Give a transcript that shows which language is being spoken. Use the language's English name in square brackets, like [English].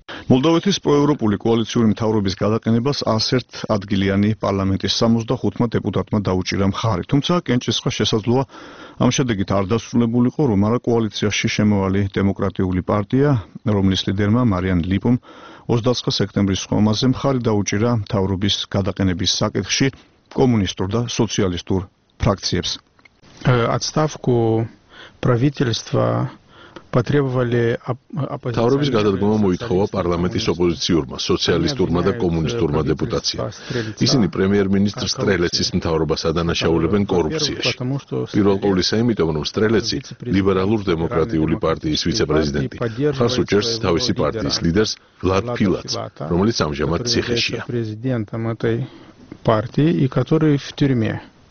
[Georgian] მოლდავეთის პროევროპული კოალიციური მთავრობის გადაყენებას 101 ადგილიანი პარლამენტის 65 დეპუტატმა დაუჭირა მხარი, თუმცა კენჭისხა შესაძლოა ამ შედეგით არ დასრულებულიყო, რომ არა კოალიციაში შემოვალი დემოკრატიული პარტია, რომლის ლიდერმა მარიან ლიპომ 29 სექტემბრის სხომაზე მხარი დაუჭირა მთავრობის გადაყენების საკითხში კომუნისტურ და სოციალისტურ ფრაქციებს. [Russian] Отставку правительства потребовали оппозиции. [Georgian] Თავრობის გადადგომა მოითხოვა პარლამენტის ოპოზიციურმა, სოციალისტურმა და კომუნისტურმა დეპუტაციამ. ისინი პრემიერ-მინისტრ სტრელეცის მთავრობას ადანაშაულებენ კორუფციაში. პირველ ყოვლისა, იმიტომ რომ სტრელეცი ლიბერალურ-დემოკრატიული პარტიის ვიცე-პრეზიდენტი, ხარს უჭერს თავისი პარტიის ლიდერს ვლად ფილატს, რომელიც ამჟამად ციხეშია.